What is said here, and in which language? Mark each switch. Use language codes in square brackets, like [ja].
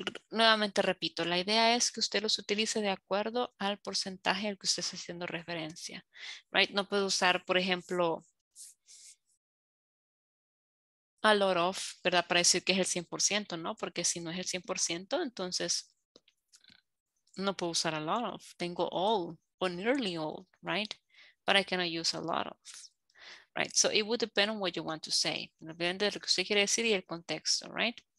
[es] Nuevamente repito, la idea es que usted los utilice de acuerdo al porcentaje al que usted está haciendo referencia, right? No puedo usar, por ejemplo, a lot of, ¿verdad? Para decir que es el 100%, ¿no? Porque si no es el 100%, entonces no puedo usar a lot of. Tengo [en] all or nearly all, right? But I cannot use a lot of, right? So it would depend on what you want to say. [es] Depende de lo que usted quiere decir y el contexto, right?